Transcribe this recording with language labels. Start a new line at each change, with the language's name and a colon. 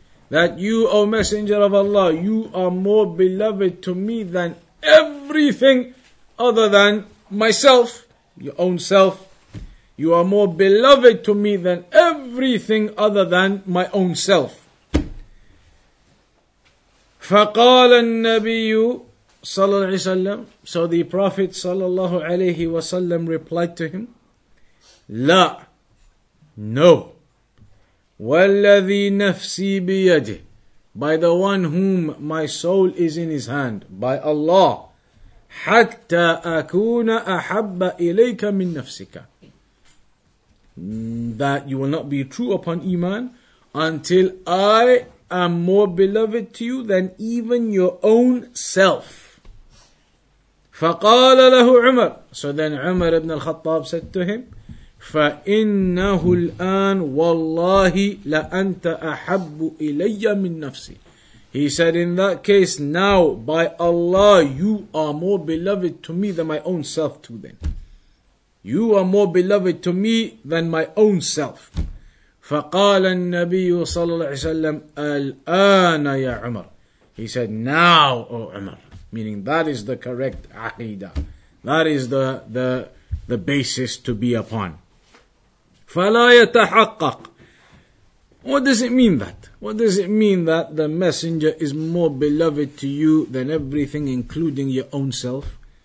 English: That you, O Messenger of Allah, you are more beloved to me than everything other than myself, your own self. You are more beloved to me than everything other than my own self.
Arabic: فقال النبي صلى الله عليه وسلم.
English: So the Prophet صلى الله عليه وسلم replied to him,
Arabic: لا, no, والذي نفسي بيده,
English: by the one whom my soul is in his hand, by Allah,
Arabic: حتى أكون أحب إليك من نفسك,
English: that you will not be true upon iman until I am more beloved to you than even your own self.
Arabic: فَقَالَ لَهُ عُمَرُ.
English: So then Umar ibn al-Khattab said to him,
Arabic: فَإِنَّهُ الْآنْ وَاللَّهِ لَأَنْتَ أَحَبُّ إِلَيَّ مِن نَفْسِي.
English: He said, in that case, now by Allah, you are more beloved to me than my own self too then. You are more beloved to me than my own self.
Arabic: فقال النبي صلى الله عليه وسلم الآن يا عمر.
English: He said, now, O Umar, meaning that is the correct aqidah, that is the basis to be upon.
Arabic: فلا يتحقق.
English: What does it mean that? What does it mean that the messenger is more beloved to you than everything, including your own self?